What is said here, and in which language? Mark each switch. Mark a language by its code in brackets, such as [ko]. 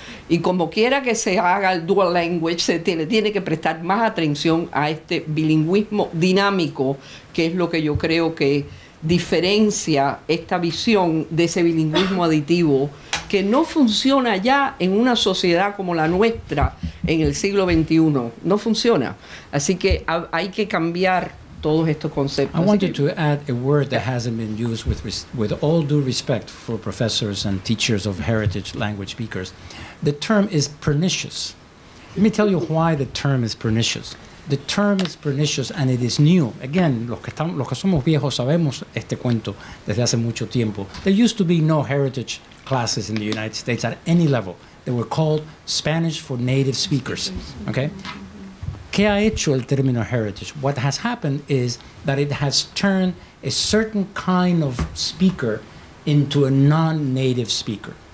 [es] Y como quiera que se haga el dual language, se tiene que prestar más atención a este bilingüismo dinámico, que es lo que yo creo que diferencia esta visión de ese bilingüismo aditivo, que no funciona ya en una sociedad como la nuestra en el siglo XXI. No funciona. Así que hay que cambiar todos estos conceptos. [en] I wanted to add a word that hasn't been used with all due respect for professors and teachers of heritage language speakers. The term is pernicious. Let me tell you why the term is pernicious. The term is pernicious and it is new. [es] Again, los que somos viejos sabemos este cuento desde hace mucho tiempo. [en] There used to be no heritage classes in the United States at any level. They were called Spanish for native speakers, okay? [es] ¿Qué ha hecho el término heritage? [en] What has happened is that it has turned a certain kind of speaker into a non-native speaker.